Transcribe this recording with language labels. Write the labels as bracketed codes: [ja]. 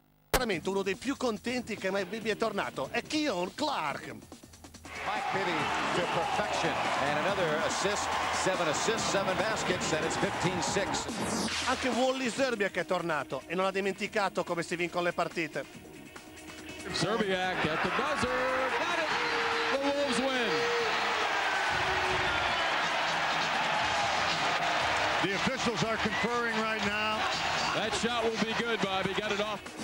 [it] Veramente uno dei più contenti che mai vi è tornato è Keon Clark. [en] Mike Bibby to perfection and another assist, seven baskets and it's 15-6. [it] Anche Wally Szczerbiak è tornato e non ha dimenticato come si vincono le partite. [en] Szczerbiak at the buzzer, got it, the Wolves win. The officials are conferring right now. That shot will be good, Bobby, got it off.